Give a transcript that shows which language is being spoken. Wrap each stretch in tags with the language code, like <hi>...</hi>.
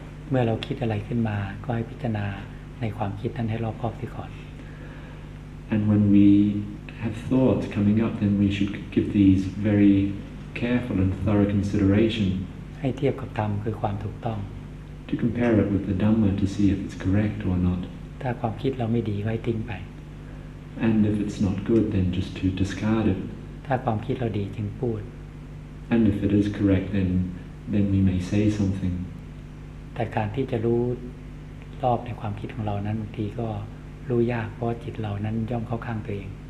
<th>เมื่อเราคิดอะไรขึ้นมาก็ให้พิจารณาในความคิดนั้นให้รอบคอบเสียก่อน</th> <en>And when we have thoughts coming up then we should give these very careful and thorough consideration</en> <th>ให้เทียบกับธรรมคือความถูกต้อง</th> <en>To compare it with the Dhamma to see if it's correct or not</en> <th>ถ้าความคิดเราไม่ดีไว้ทิ้งไป</th> <en>And if it's not good then just to discard it</en> <th>ถ้าความคิดเราดีจึงพูด</th> <en>And if it is correct then we may say something</en> <th>แต่การที่จะรู้รอบในความคิดของเรานั้นบางทีก็รู้ยากเพราะจิตเรานั้นย่อมเข้าข้างตัวเอง</th>